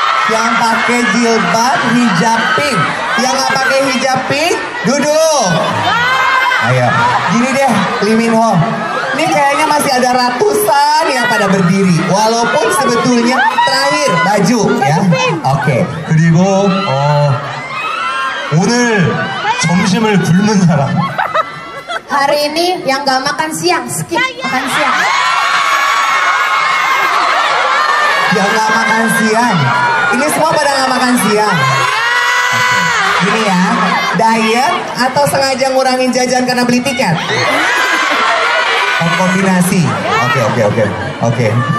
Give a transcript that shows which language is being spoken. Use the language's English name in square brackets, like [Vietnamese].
[Indonesian] Yang pakai jilbab hijab pink. Yang gak pakai hijab pink, duduk. Ayo, gini deh, Lee Min Ho. Ini kayaknya masih ada ratusan yang pada berdiri. Walaupun sebetulnya terakhir baju, ya. Oke. Okay. [Korean] 그리고 오늘 점심을 굶은 사람. [Indonesian] Hari ini yang gak makan siang, skip makan siang. Yang gak makan siang. Ini semua pada gak makan siang. Gini ya, diet atau sengaja ngurangin jajan karena beli tiket? Kombinasi. Oke.